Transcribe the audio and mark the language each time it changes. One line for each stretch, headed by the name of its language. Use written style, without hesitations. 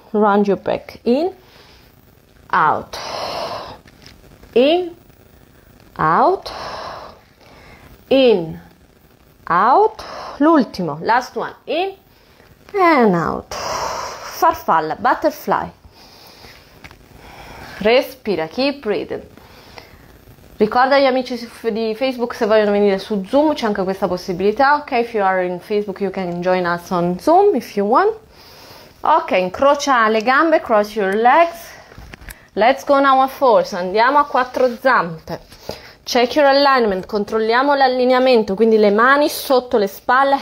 English: Round your back in, out, in, out, in, out,
Italian: l'ultimo,
English: last one, in and out,
Italian: farfalla,
English: butterfly,
Italian: respira,
English: keep breathing.
Italian: Ricorda gli amici di Facebook se vogliono venire su Zoom, c'è anche questa possibilità.
English: Ok, if you are in Facebook, you can join us on Zoom if you want. Ok,
Italian: incrocia le gambe,
English: cross your legs. Let's go now a force.
Italian: Andiamo a quattro zampe.
English: Check your alignment.
Italian: Controlliamo l'allineamento. Quindi le mani sotto le spalle.